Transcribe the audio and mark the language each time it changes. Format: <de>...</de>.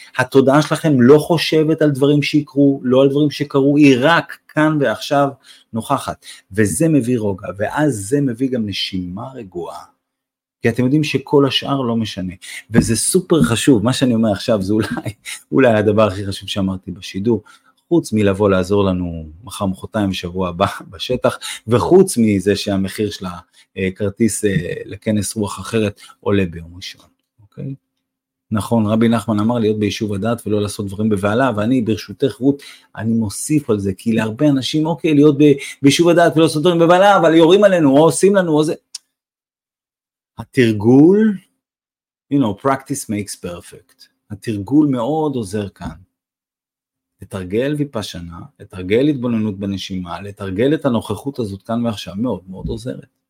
<he>התודעה שלכם לא חושבת על דברים שיקרו, לא על דברים שקרו, היא רק כאן ועכשיו נוכחת, וזה מביא רוגע, ואז זה מביא גם נשימה רגועה, כי אתם יודעים שכל השאר לא משנה, וזה סופר חשוב, מה שאני אומר עכשיו זה אולי הדבר הכי חשוב שאמרתי בשידור, חוץ מלבוא לעזור לנו מחר מחותיים בשבוע הבא בשטח, וחוץ מזה שהמחיר של הכרטיס לכנס רוח אחרת עולה ביום ראשון, אוקיי? נכון, רבי נחמן אמר להיות ביישוב הדעת ולא לעשות דברים בבעלה, ואני ברשותך רות, אני מוסיף על זה, כי להרבה אנשים, אוקיי, להיות ביישוב הדעת ולא לעשות דברים בבעלה, אבל יורים עלינו, או עושים לנו, או זה. התרגול,</he> <en>you know, practice makes perfect.</en> <he>התרגול מאוד עוזר כאן. לתרגל ויפשנה, לתרגל התבוננות בנשימה, לתרגל את הנוכחות הזאת כאן ועכשיו, מאוד מאוד עוזרת.</he>